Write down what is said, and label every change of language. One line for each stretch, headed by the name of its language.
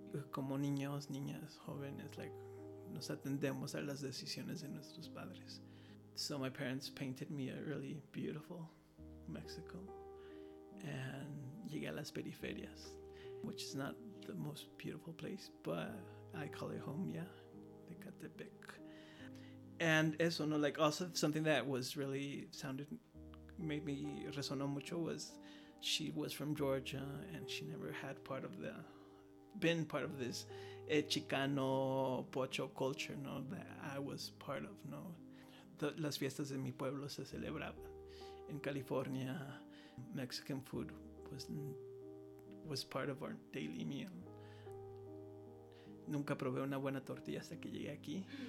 Spanish: Como niños, niñas, jóvenes, like, nos atendemos a las decisiones de nuestros padres.
English: So my parents painted me a really beautiful Mexico. And
Spanish: llegué a las periferias,
English: which is not the most beautiful place, but I call it home, yeah.
Spanish: De Catepec.
English: And
Spanish: eso, no,
English: like, also something that was really sounded, made me
Spanish: resonó mucho
English: was she was from Georgia and she never had part of the, been part of this Chicano Pocho culture, no, that I was part of, no.
Spanish: Las fiestas de mi pueblo se celebraban
English: in California. Mexican food was part of our daily meal.
Spanish: Nunca probé una buena tortilla hasta que llegué aquí.